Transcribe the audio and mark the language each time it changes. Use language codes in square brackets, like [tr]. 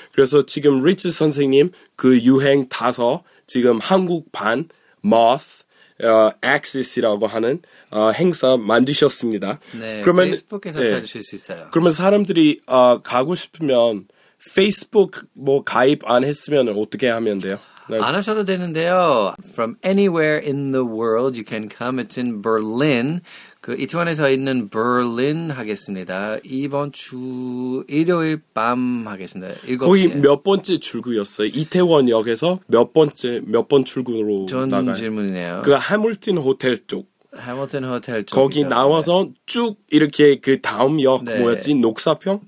[ko] 그래서 지금 리츠 선생님 그 유행 타서 지금 한국 반 Moth Axis이라고 하는 행사 만드셨습니다. 네, 그러면, 페이스북에서 네. 찾으실 수 있어요. 그러면 사람들이 가고 싶으면 페이스북 뭐 가입 안 했으면 어떻게 하면 돼요? 네. 안 하셔도 되는데요. [en] From anywhere in the world, you can come. It's in Berlin. [ko] 그 이태원에서 있는 Berlin 하겠습니다. 이번 주 일요일 밤 하겠습니다. 7시에. 거의 몇 번째 출구였어요? 이태원역에서 몇 번 출구로 좋은 나가요? 좋은 질문이네요. 그 해물틴 호텔 쪽. 해물틴 호텔 쪽. 거기 나와서 네. 쭉 이렇게 그 다음 역 네. 뭐였지? 녹사평?